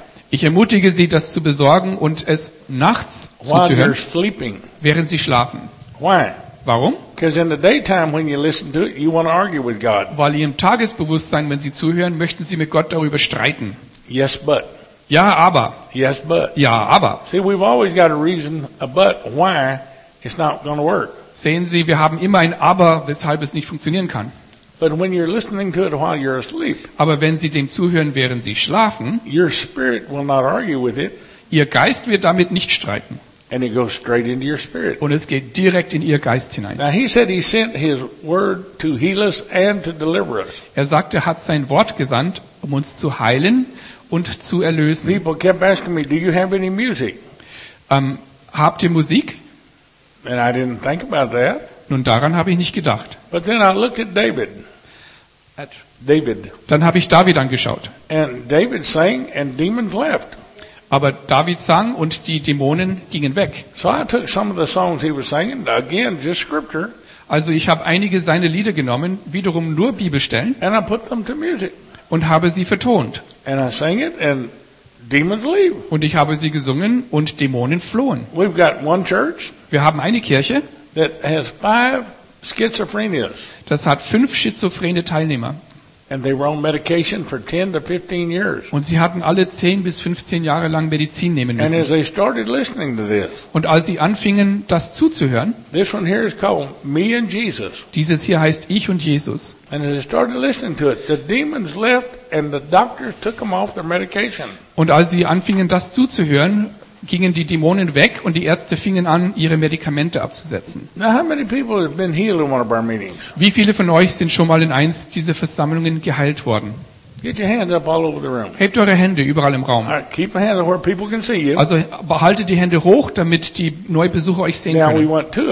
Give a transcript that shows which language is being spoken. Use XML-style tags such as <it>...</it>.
<de>Ich ermutige Sie, das zu besorgen und es nachts zuzuhören, während sie schlafen.</de> <en>Why?</en> <de>Warum?</de> <en>Because in the daytime when you listen to it, you want to argue with God.</en> <de>Weil im Tagesbewusstsein, wenn Sie zuhören, möchten Sie mit Gott darüber streiten.</de> <en>Yes, but.</en> <de>Ja, aber.</de> <en>Yes, but.</en> <de>Ja, aber.</de> <en>See, we've always got a reason, a but, why it's not going to work.</en> <de>Sehen Sie, wir haben immer ein Aber, weshalb es nicht funktionieren kann.</de> <en>But when you're listening to it while you're asleep,</en> <de>aber wenn Sie dem zuhören, während Sie schlafen,</de> <en>your spirit will not argue with it,</en> <de>Ihr Geist wird damit nicht streiten.</de> <en>And it goes straight into your spirit.</en> <de>Und es geht direkt in Ihr Geist hinein.</de> <en>Now he said he sent his word to heal us and to deliver us.</en> <de>Er sagte, er hat sein Wort gesandt, um uns zu heilen und zu erlösen.</de> <en>People kept asking me, do you have any music?</en> <de>Habt ihr Musik?</de> <en>And I didn't think about that.</en> <de>Nun, daran habe ich nicht gedacht.</de> <en>But then I looked at David.</en> <de>Dann habe ich David angeschaut.</de> <en>And David sang and demons left.</en> <de>Aber David sang und die Dämonen gingen weg.</de> <en>So I took some of the songs he was singing, again, just scripture.</en> <de>Also ich habe einige seiner Lieder genommen, wiederum nur Bibelstellen.</de> <en>And I put them to music.</en> <de>Und habe sie vertont.</de> <en>And I sang it and demons leave.</en> <de>Und ich habe sie gesungen und Dämonen flohen.</de> <en>We've got one church.</en> <de>Wir haben eine Kirche.</de> <en>That has five schizophrenias.</en> <de>Das hat 5 schizophrene Teilnehmer.</de> <en>And they were on medication for 10 to 15 years.</en> <de>Und sie hatten alle 10 bis 15 Jahre lang Medizin nehmen müssen.</de> <en>And as they started listening to this.</en> <de>Und als sie anfingen, das zuzuhören.</de> <en>This one here is called Me and Jesus.</en> <de>Dieses hier heißt Ich und Jesus.</de> <en>And as they started listening to it, the demons left and the doctors took them off their medication.</en> <de>Und als sie anfingen, das zuzuhören, gingen die Dämonen weg und die Ärzte fingen an, ihre Medikamente abzusetzen. Wie viele von euch sind schon mal in eins dieser Versammlungen geheilt worden? Hebt eure Hände überall im Raum. Also behaltet die Hände hoch, damit die Neubesucher euch sehen können.</de>